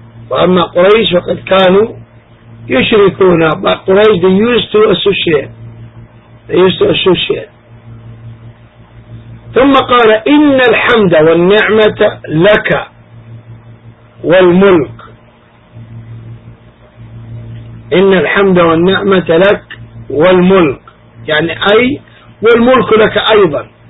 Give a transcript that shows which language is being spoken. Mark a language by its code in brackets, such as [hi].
[ar] وأما قريش فقد كانوا يشركون. [en] But قريش they used to associate. They used to associate. [ar] ثم قال إن الحمد والنعمة لك والملك. إن الحمد والنعمة لك والملك، يعني أي والملك لك أيضا.